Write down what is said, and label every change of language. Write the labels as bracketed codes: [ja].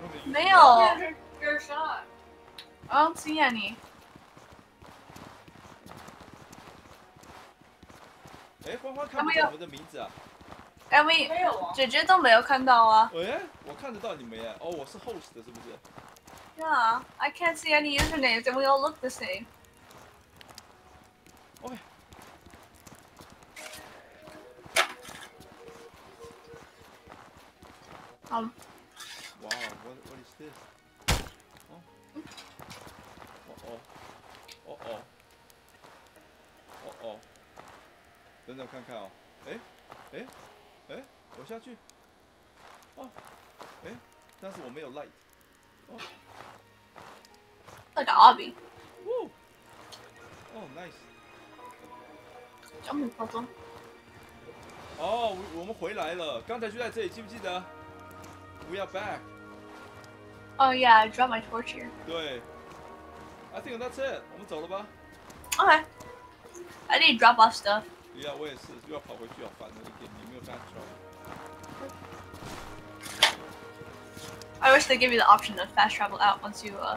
[zh] 没有。 [en] You're shot. I don't see any. [zh] 哎，花花看不到我们的名字啊。哎，我姐姐都没有看到啊！哎，我看得到你们耶！哦，我是 host 的，是不是 [en] ？Yeah, I can't see any usernames, and we all look the same. OK. 好。Wow, what is this? [zh] 哦，哦哦，哦哦，等等看看哦，哎，哎。我下去。哦，哎，但是我没有 light。哦。 [en] Like a hobby. Woo. Oh, nice. [zh] 这么夸张。哦，我们回来了，刚才就在这里，记不记得？ [en] We are back. Oh yeah, I dropped my torch here. [zh] 对。 [en] I think that's it. [zh] 我们走了吧。 [en] Okay. I need to drop off stuff. [zh] Yeah, 我也是，又要跑回去，好烦的一天，你没有干出来。 [en] I wish they give you the option to fast travel out once you.